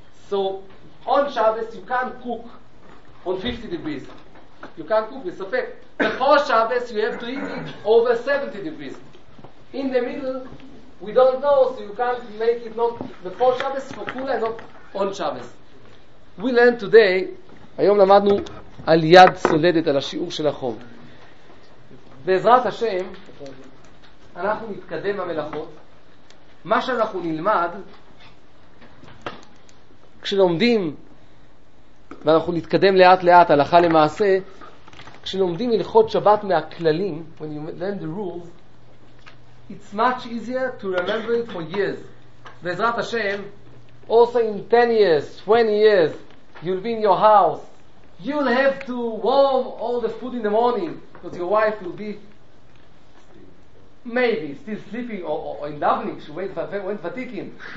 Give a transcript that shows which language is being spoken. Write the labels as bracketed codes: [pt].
[en] So on Shabbos you can't cook on 50 degrees. You can't cook with safek. Before Shabbos you have to eat it over 70 degrees. In the middle we don't know, so you can't make it not before Shabbos for kula and not on Shabbos. We learned today, [he] היום למדנו על יד סולדת, על השיעור של החום. בעזרת השם, אנחנו נתקדם במלאכות. מה שאנחנו נלמד, כשלומדים, ואנחנו נתקדם לאט לאט, הלכה למעשה, כשלומדים הלכות שבת מהכללים, [en] when you learn the rules, it's much easier to remember it for years. בעזרת השם, also in 10 years, 20 years, you'll be in your house, you'll have to warm all the food in the morning because your wife will be maybe still sleeping or in davening, she went fatiguing.